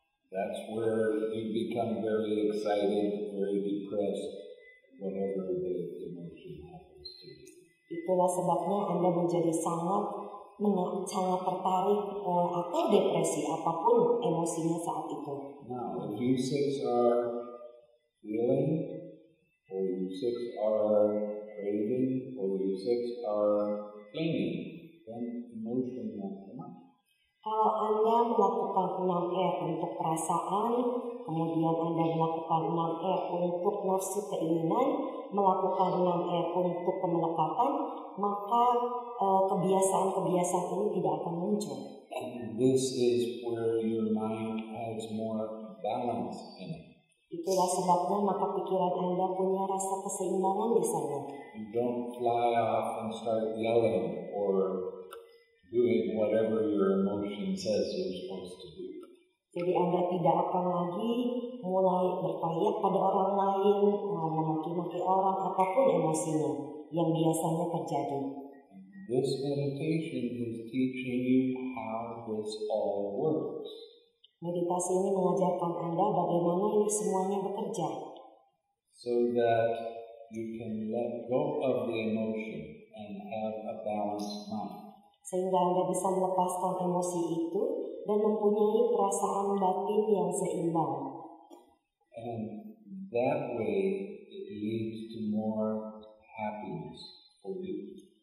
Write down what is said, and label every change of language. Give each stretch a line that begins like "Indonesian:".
English: That's where you become very excited, very depressed, whatever the emotion happens to you.
Indonesian: Itulah sebabnya Anda menjadi sangat tertarik atau depresi apapun emosinya saat itu.
English: Now, if you six are feeling, or you six are craving, or you six are clinging, then emotion won't come up.
Indonesian: Kalau Anda melakukan 6R untuk perasaan, kemudian Anda melakukan 6R untuk nafsu keinginan, melakukan 6R untuk kemelekatan, maka kebiasaan-kebiasaan ini tidak akan muncul.
English: And this is where your mind has more balance in it.
Indonesian: Itulah sebabnya maka pikiran Anda punya rasa keseimbangan di sana.
English: You don't fly off and start yelling or doing whatever your emotion says you're supposed to do.
Indonesian: Jadi Anda tidak akan lagi mulai berteriak pada orang lain, memaki-maki orang, apapun emosinya yang biasanya terjadi.
English: This meditation is teaching you how this all works.
Indonesian: Meditasi ini mengajarkan Anda bagaimana ini semuanya bekerja.
English: So that you can let go of the emotion and have a balanced mind.
Indonesian: Sehingga Anda bisa melepaskan emosi itu dan mempunyai perasaan batin yang seimbang.
English: And that way it leads to more happiness for you.